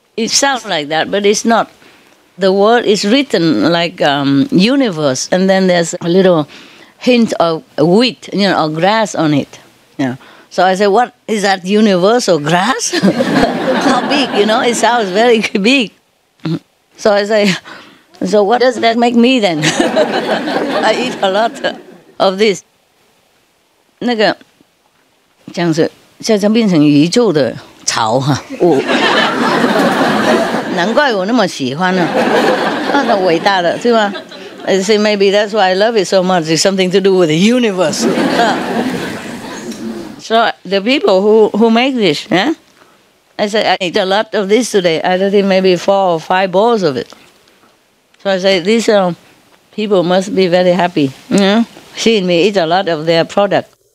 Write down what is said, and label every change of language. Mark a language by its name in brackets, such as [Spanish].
[English] It sounds like that, but it's not. The word is written like universe, and then there's a little hint of wheat, you know, or grass on it. Yeah. So I said, what is that universe or grass? How big, you know, it sounds very big. So I say, so what does that make me then? I eat a lot of this. [Chinese] 那个这样子，这样变成宇宙的潮哈，我难怪我那么喜欢呢，那么伟大的，对吗？ [English] I say maybe that's why I love it so much. It's something to do with the universe. So the people who make this, I say I eat a lot of this today. I don't think maybe 4 or 5 bowls of it. So I say these people must be very happy, seeing me eat a lot of their product.